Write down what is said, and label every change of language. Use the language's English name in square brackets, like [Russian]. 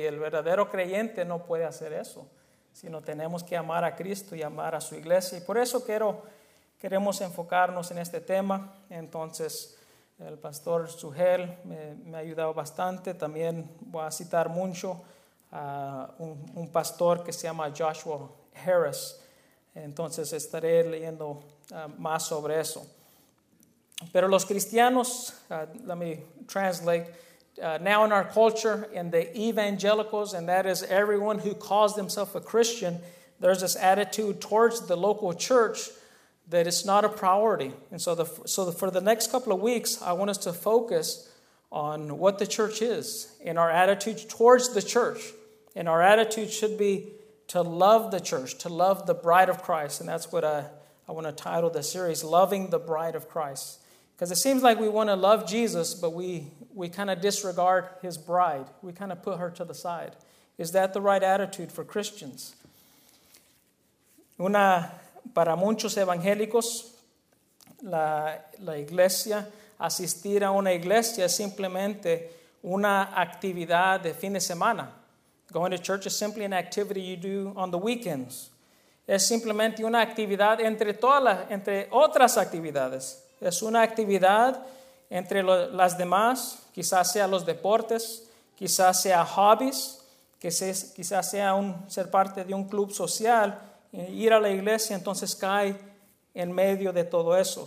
[Spanish] Y el verdadero creyente no puede hacer eso, sino tenemos que amar a Cristo y amar a su iglesia. Y por eso queremos enfocarnos en este tema. Entonces, el pastor Sujel me ha ayudado bastante. También voy a citar mucho a un pastor que se llama Joshua Harris. Entonces estaré leyendo más sobre eso. Pero los cristianos, [English] let me translate, now in our culture, in the evangelicals, and that is everyone who calls themselves a Christian, there's this attitude towards the local church that it's not a priority. And so for the next couple of weeks, I want us to focus on what the church is and our attitude towards the church. And our attitude should be to love the church, to love the bride of Christ. And that's what I want to title the series, Loving the Bride of Christ. Because it seems like we want to love Jesus, but we kind of disregard his bride. We kind of put her to the side. Is that the right attitude for Christians? [Spanish] Para muchos evangélicos, la iglesia, asistir a una iglesia es simplemente una actividad de fin de semana. [English] Going to church is simply an activity you do on the weekends. [Spanish] Es simplemente una actividad entre todas las, entre otras actividades. Es una actividad entre las demás, quizás sea los deportes, quizás sea hobbies, quizás sea ser parte de un club social, ir a la iglesia, entonces cae en medio de todo eso.